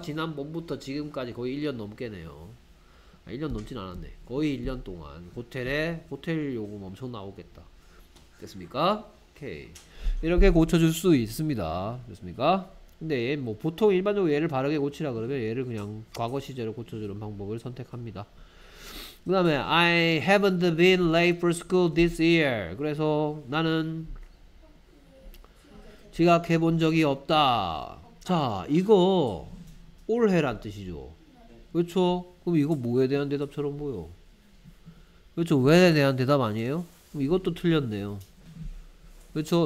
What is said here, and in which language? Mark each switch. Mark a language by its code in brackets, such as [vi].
[ko] 지난 봄부터 지금까지 거의 1년 넘게네요. 아, 1년 넘진 않았네. 거의 1년 동안 호텔에 호텔 요금 엄청 나오겠다. 됐습니까? 오케이. 이렇게 고쳐줄 수 있습니다. 됐습니까? 근데 얘 뭐 보통 일반적으로 얘를 바르게 고치라 그러면 얘를 그냥 과거 시제로 고쳐주는 방법을 선택합니다. 그 다음에 [en] I haven't been late for school this year. [ko] 그래서 나는 지각해 본 적이 없다. 자 이거 올해란 뜻이죠. 그렇죠? 그럼 이거 뭐에 대한 대답처럼 보여? 그렇죠? 왜에 대한 대답 아니에요? 그럼 이것도 틀렸네요. 그렇죠?